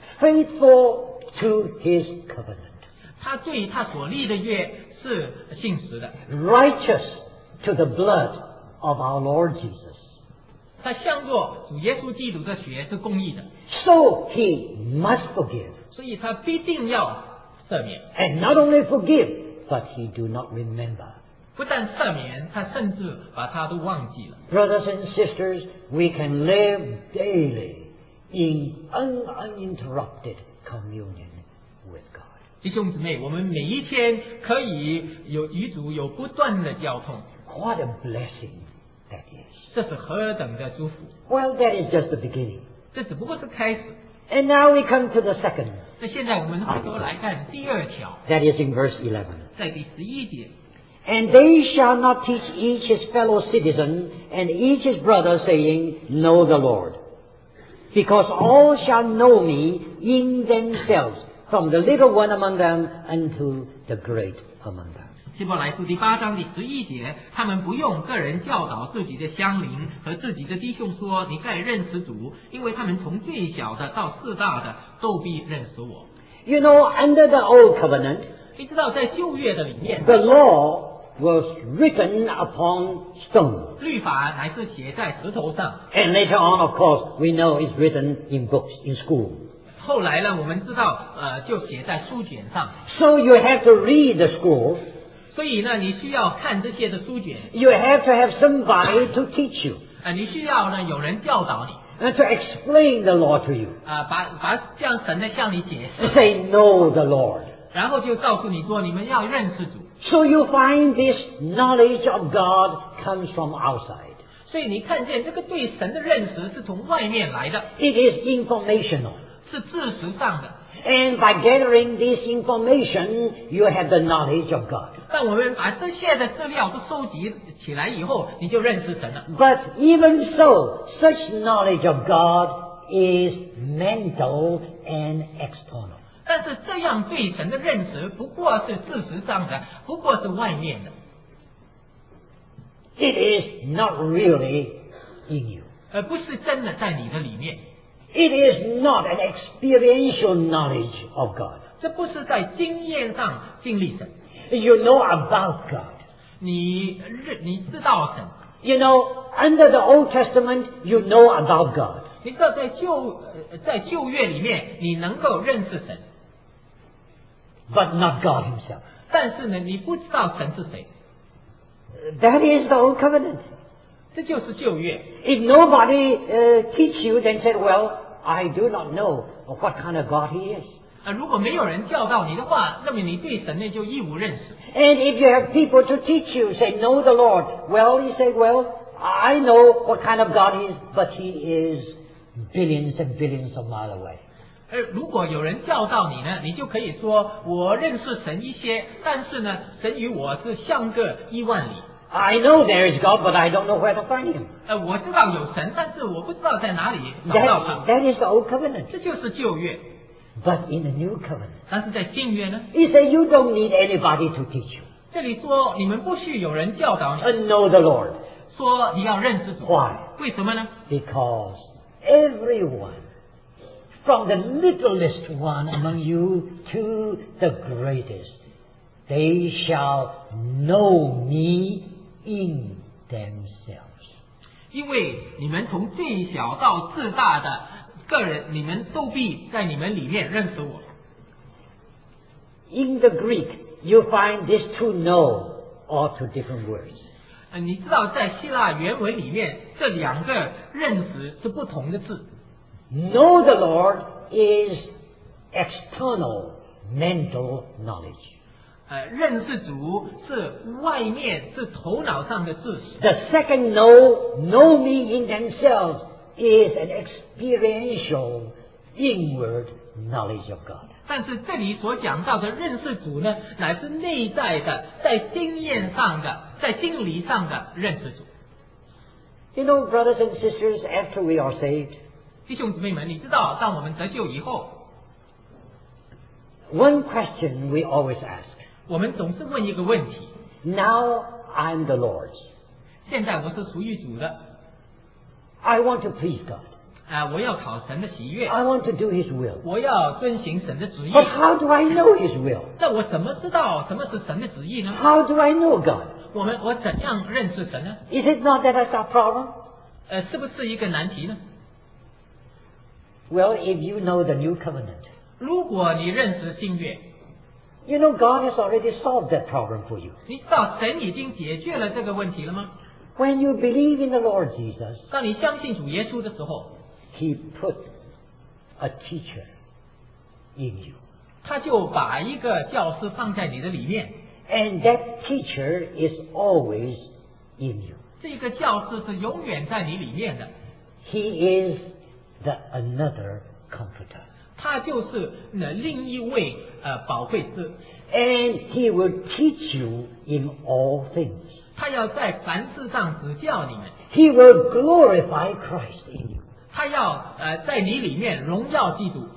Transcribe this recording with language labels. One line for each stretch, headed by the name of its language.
English: Faithful to his covenant.
Chinese: 他对他所立的约是信实的。
English: Righteous to the blood of our Lord Jesus.
Chinese: 他向着主耶稣基督的血是公义的。
English: So he must forgive.
Chinese: 所以他必定要赦免。
English: And not only forgive, but he do not remember.
Chinese: 不但赦免，他甚至把他都忘记了。
English: Brothers and sisters, we can live daily. In uninterrupted communion with God.
Chinese: 弟兄姊妹，我们每一天可以有与主有不断的交通。
English: What a blessing that is.
Chinese: 这是何等的祝福。
English: Well, that is just the beginning.
Chinese: 这只不过是开始。
English: And now we come to the second.
Chinese: 那现在我们回头来看第二条。
English: That is in verse 11.
Chinese: 在第十一节。
English: And they shall not teach each his fellow citizen and each his brother saying, Know the Lord. Because all shall know me in themselves, from the little one among them unto the great among them.
Chinese: 希伯来书第八章第十一节，他们不用个人教导自己的乡邻和自己的弟兄说，你该认识主，因为他们从最小的到至大的都必认识我。
English: You know, under the old covenant,
Chinese: 你知道在旧约的里面，
English: the law was written upon stone.
Chinese: 律法乃是写在石头上。
English: And later on, of course, we know it's written in books in school.
Chinese: 后来呢，我们知道，就写在书卷上。
English: So you have to read the school.
Chinese: 所以呢，你需要看这些的书卷。
English: You have to have somebody to teach you.
Chinese: 你需要呢，有人教导你。
English: And to explain the law to you.
Chinese: 把向神的向你解释。
English: Say know the Lord.
Chinese: 然后就告诉你说，你们要认识主。
English: So you find this knowledge of God comes from outside.
Chinese: 所以你看见这个对神的认识是从外面来的。
English: It is informational.
Chinese: 是知识上的。
English: And by gathering this information, you have the knowledge of God.
Chinese: 但我们把这些的资料都收集起来以后，你就认识神了。
English: But even so, such knowledge of God is mental and external.
Chinese: 但是这样对神的认识不过是事实上的，不过是外面的。
English: It is not really in you.
Chinese: 不是真的在你的里面。
English: It is not an experiential knowledge of God.
Chinese: 这不是在经验上经历神。
English: You know about God.
Chinese: 你知道神。
English: You know, under the Old Testament, you know about God.
Chinese: 你知道在旧约里面你能够认识神。
English: But not God himself.
Chinese: 但是呢，你不知道神是谁。
English: That is the old covenant.
Chinese: 这就是旧约。
English: If nobody teach you, then said, well, I do not know what kind of God he is.
Chinese: 如果没有人教导你的话，那么你对神呢就一无认识。
English: And if you have people to teach you, say, know the Lord. Well, you say, well, I know what kind of God he is, but he is billions and billions of miles away.
Chinese: 如果有人教导你呢，你就可以说我认识神一些，但是呢，神与我是相隔一万里。
English: I know there is God, but I don't know where to find him.
Chinese: 我知道有神，但是我不知道在哪里找到他。
English: That is the old covenant.
Chinese: 这就是旧约。
English: But in the new covenant.
Chinese: 但是在新约呢？
English: He said you don't need anybody to teach you.
Chinese: 这里说你们不需有人教导你。
English: Know the Lord.
Chinese: 说你要认识主。
English: Why?
Chinese: 为什么呢？
English: Because everyone. From the littlest one among you to the greatest, they shall know me in themselves.
Chinese: 因为你们从最小到至大的个人，你们都必在你们里面认识我。
English: In the Greek, you find these two know all two different words.
Chinese: 你知道在希腊原文里面，这两个认识是不同的字。
English: Know the Lord is external mental knowledge.
Chinese: 认识主是外面，是头脑上的知识。
English: The second know me in themselves is an experiential inward knowledge of God.
Chinese: 但是这里所讲到的认识主呢，乃是内在的，在经验上的，在经历上的认识主。
English: You know, brothers and sisters, after we are saved,
Chinese: 弟兄姊妹们，你知道，当我们得救以后
English: ，One question we always ask，
Chinese: 我们总是问一个问题。
English: Now I'm the Lord's，
Chinese: 现在我是属于主的。
English: I want to please God，
Chinese: 我要讨神的喜悦。
English: I want to do His will，
Chinese: 我要遵行神的旨意。
English: But how do I know His will？
Chinese: 那我怎么知道什么是神的旨意呢
English: ？How do I know God？
Chinese: 我怎样认识神呢
English: ？Is it not that that's a problem？
Chinese: 是不是一个难题呢？
English: Well, if you know the new covenant,
Chinese: 如果你认识新约
English: you know God has already solved that problem for you.
Chinese: 你知道神已经解决了这个问题了吗？
English: When you believe in the Lord Jesus,
Chinese: 当你相信主耶稣的时候
English: He put a teacher in you.
Chinese: 他就把一个教师放在你的里面
English: And that teacher is always in you.
Chinese: 这个教师是永远在你里面的
English: He isThe another comforter.
Chinese: 他就是那另一位保惠师。
English: And he will teach you in all things.
Chinese: 他要在凡事上指教你们。
English: He will glorify Christ in you.
Chinese: 他要在你里面荣耀基督。